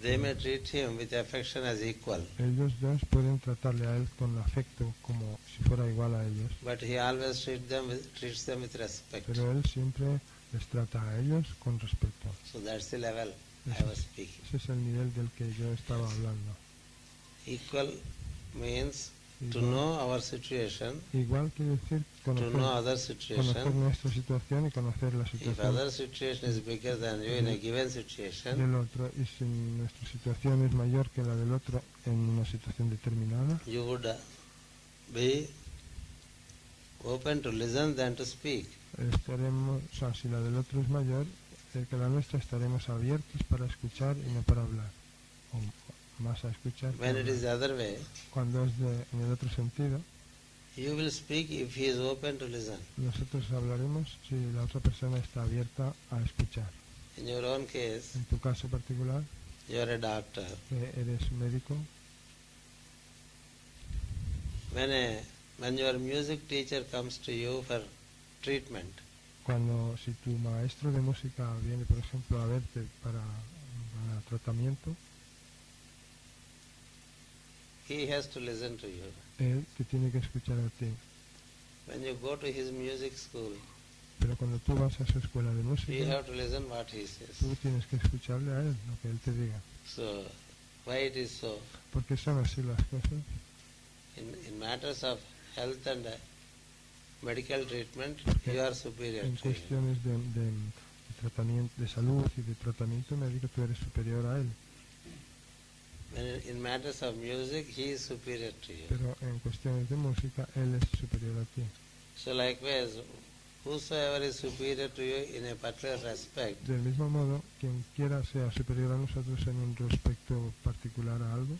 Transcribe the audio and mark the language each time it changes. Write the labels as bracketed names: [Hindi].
[English] They may treat him with affection as equal. [Spanish] Ellos dos pueden tratarle a él con afecto como si fuera igual a ellos. [English] But he always treats them with respect. [Spanish] Pero él siempre les trata a ellos con respeto. [English] So that's the level I was speaking. [Spanish] Ese es el nivel del que yo estaba hablando. [English] Equal means to know our situation, [Spanish] igual quiere decir conocer, [English] to know other situation, [Spanish] conocer nuestra situación y conocer la situación. [English] If other situation is bigger than you in a given situation, [Spanish] del otro, y si nuestra situación es mayor que la del otro en una situación determinada, [English] you would be open to listen than to speak. [Spanish] Estaremos, o sea, si la del otro es mayor que la nuestra, estaremos abiertos para escuchar y no para hablar. O, más a escuchar. [English] When it is the other way, [Spanish] cuando es de, en el otro sentido, [English] you will speak if he is open to listen. [Spanish] Nosotros hablaremos si la otra persona está abierta a escuchar. [English] In your own case, [Spanish] en tu caso particular, [English] you are a doctor. [Spanish] Eres médico. [English] When your music teacher comes to you for treatment, [Spanish] cuando si tu maestro de música viene, por ejemplo, a verte para tratamiento, [English] he has to listen to you. [Spanish] Él te tiene que escuchar a ti. [English] When you go to his music school, [Spanish] pero cuando tú vas a su escuela de música, [English] you have to listen what he says. [Spanish] Tú tienes que escucharle a él, lo que él te diga. [English] So, why it is so? [Spanish] ¿Por qué son así las cosas? [English] In matters of health and medical treatment, [Spanish] porque [English] you are superior [Spanish] en [English] to [Spanish] cuestiones [English] him. [Spanish] De tratamiento, de salud y de tratamiento médico, tú eres superior a él. [English] In matters of music, he is superior to you. [Spanish] Pero en cuestiones de música, él es superior a ti. [English] So likewise, whosoever is superior to you in a particular respect. [Spanish] Del mismo modo, quien quiera sea superior a nosotros en un respecto particular a algo.